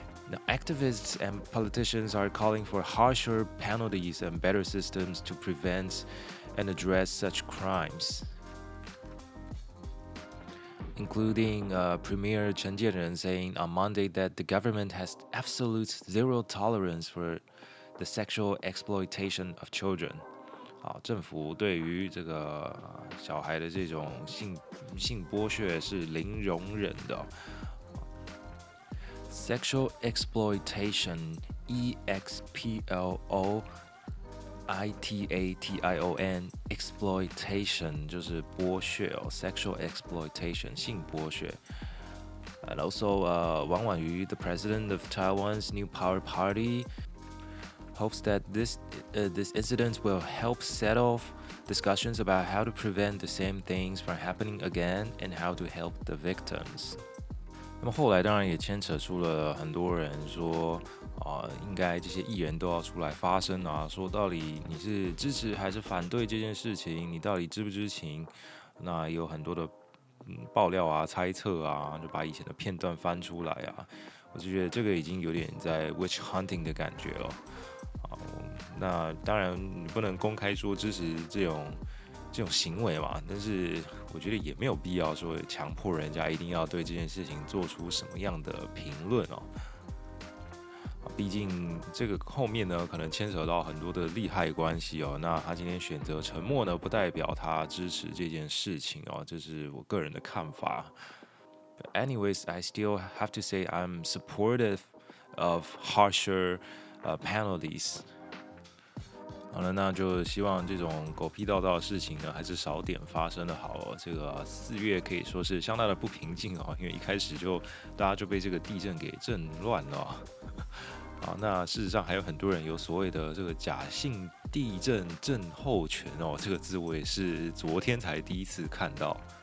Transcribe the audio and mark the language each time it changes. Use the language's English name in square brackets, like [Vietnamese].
[English] Now, activists and politicians are calling for harsher penalties and better systems to prevent and address such crimes, including Premier Chen Jianren saying on Monday that the government has absolute zero tolerance for the sexual exploitation of children. [Chinese] 好，政府对于这个小孩的这种性剥削是零容忍的。 [English] Sexual exploitation, EXPLOITATION, exploitation [Chinese] 就是剥削哦 [English] ，sexual exploitation [Chinese] 性剥削。 [English] And also, Wang Wanyu, the president of Taiwan's New Power Party, hopes that this incident will help set off discussions about how to prevent the same things from happening again and how to help the victims. [Chinese] 那么后来当然也牵扯出了很多人说，应该这些艺人都要出来发声啊，说到底你是支持还是反对这件事情，你到底知不知情？那也有很多的爆料啊、猜测啊，就把以前的片段翻出来啊，我就觉得这个已经有点在 witch hunting 的感觉了。那当然你不能公开说支持这种行为嘛，但是我觉得也没有必要说强迫人家一定要对这件事情做出什么样的评论哦。毕竟这个后面呢，可能牵扯到很多的利害关系哦。那他今天选择沉默呢，不代表他支持这件事情哦，这是我个人的看法。 [English] But anyways, I still have to say I'm supportive of harsher penalties. [Chinese] 好了，那就希望这种狗屁道道的事情呢，还是少点发生的好哦。这个四月可以说是相当的不平静哦，因为一开始就大家就被这个地震给震乱了。好，那事实上还有很多人有所谓的这个假性地震震后群哦，这个字我也是昨天才第一次看到。